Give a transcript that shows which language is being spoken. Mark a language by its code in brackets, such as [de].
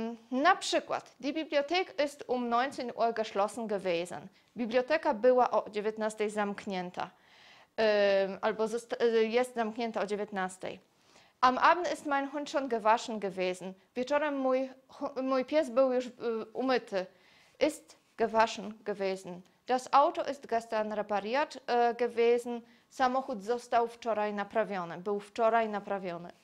[pl] Na przykład, [de] die Bibliothek ist um 19 Uhr geschlossen gewesen. [pl] Biblioteka była o 19 zamknięta. Albo jest zamknięta o 19. [de] Am Abend ist mein Hund schon gewaschen gewesen. [pl] Wieczorem mój pies był już umyty. [de] Ist gewaschen gewesen. Das Auto ist gestern repariert gewesen. [pl] Samochód został wczoraj naprawiony. Był wczoraj naprawiony.